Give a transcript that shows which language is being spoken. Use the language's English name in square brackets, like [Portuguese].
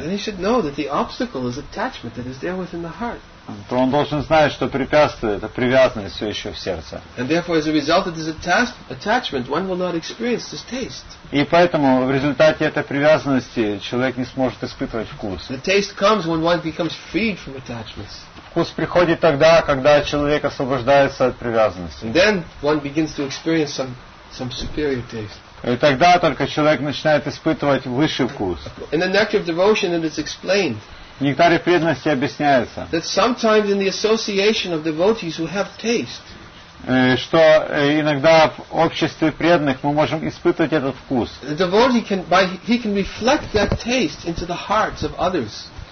[English] Then he should know that the obstacle is attachment that is there within the heart. [Russian] То он должен знать, что препятствие это привязанность все еще в сердце. [English] And therefore, as a result of this attachment, one will not experience this taste. [Russian] И поэтому в результате этой привязанности человек не сможет испытывать вкус. [English] The taste comes when one becomes freed from attachments. [Russian] Вкус приходит тогда, когда человек освобождается от привязанности. [English] And then one begins to experience some superior taste. [Russian] И тогда только человек начинает испытывать высший вкус. [English] In the nectar of devotion, it is explained. [Russian] В нектаре преданности объясняется. [English] That sometimes in the association of devotees who have taste. [Russian] Что иногда в обществе преданных мы можем испытывать этот вкус. [English] The devotee can by he can reflect that taste into the hearts of others.